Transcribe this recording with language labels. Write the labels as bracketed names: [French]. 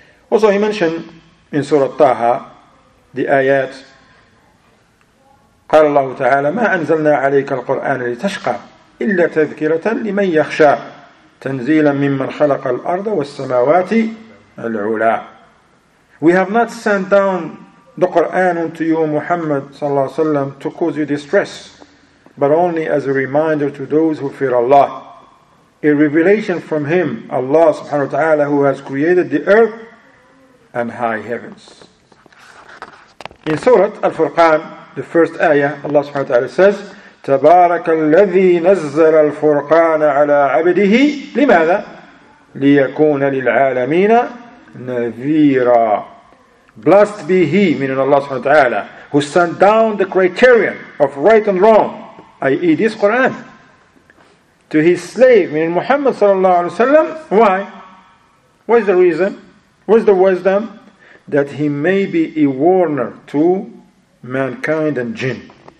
[English] Also, he mentioned in Surah Taha the ayat, [Arabic] قال الله تعالى ما أنزلنا عليك القرآن لتشقى إلا تذكرة لمن يخشى تنزيلا ممن خلق الأرض والسماوات العلا. [English] We have not sent down the Quran unto you, Muhammad [Arabic] صلى الله عليه وسلم, [English] to cause you distress, but only as a reminder to those who fear Allah, a revelation from Him, Allah subhanahu wa ta'ala, who has created the earth and high heavens. In Surah Al-Furqan, the first ayah, Allah subhanahu wa ta'ala says, [Arabic] تبارك الذي نزل الفرقان على عبده لماذا ليكون للعالمين نذيرا. [English] Blessed be he, meaning Allah subhanahu wa ta'ala, who sent down the criterion of right and wrong i.e. this Quran, to his slave, meaning Muhammad sallallahu alayhi wa sallam. Why? What's the reason? What's the wisdom? That he may be a warner to mankind and jinn.